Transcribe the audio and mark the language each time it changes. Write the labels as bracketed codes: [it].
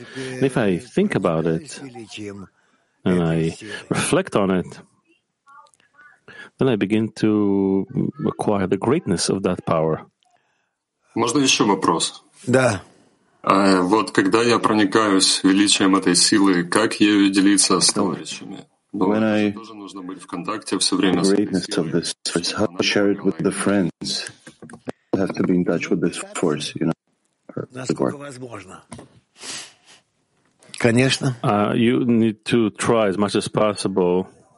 [en] And if I think about it and I reflect on it, then I begin to acquire the greatness of that power. [ru] Можно еще вопрос? Да. Вот когда я проникаюсь величием этой силы, как ею делиться с товарищами? [en] When I the greatness of this force, how to share it with the friends? I have to be in touch with this force, you know. [ru] Конечно. [en] You need to try as much as possible.